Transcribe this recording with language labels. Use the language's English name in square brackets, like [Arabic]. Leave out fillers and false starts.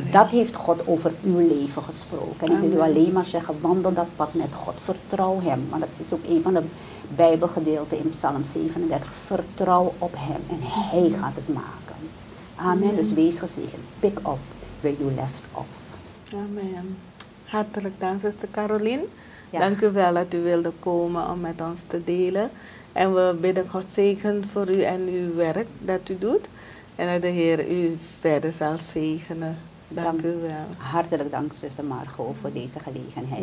[Dutch] En dat heeft God over uw leven gesproken. En ik wil u alleen maar zeggen, wandel dat pad met God. Vertrouw hem. Want dat is ook een van de Bijbelgedeelten in Psalm 37. Vertrouw op hem en hij gaat het maken. Amen. Dus wees gezegend. [English] Pick up where you left off. [Dutch] Amen. Hartelijk dank, zuster Caroline. Ja. Dank u wel dat u wilde komen om met ons te delen. En we bidden God zegen voor u en uw werk dat u doet. En dat de Heer u verder zal zegenen. Dank u wel. Hartelijk dank, zuster Margo, voor deze gelegenheid.